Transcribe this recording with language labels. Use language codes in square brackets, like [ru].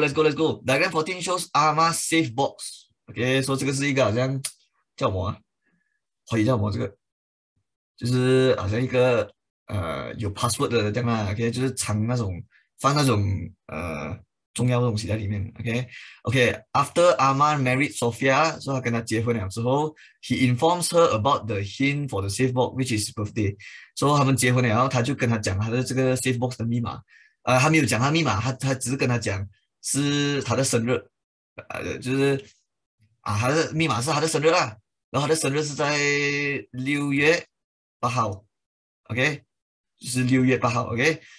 [en] Diagram 14 shows Arma safe box，OK？ [zh] 说这个是一个好像叫什么，怀疑叫什么这个，就是好像一个有 password 的这样啊，OK？就是藏那种放那种重要的东西在里面。 [en] OK，After Arman married Sophia， [zh] 所以他跟他结婚了之后， [en] he informs her about the hint for the safe box，which is birthday。 [zh] 所以他们结婚了，然后他就跟他讲他的这个 safe box 的密码。他没有讲他密码，他只是跟他讲是他的生日，就是他的密码是他的生日啦。然后他的生日是在6月8号，OK，就是6月8号，OK。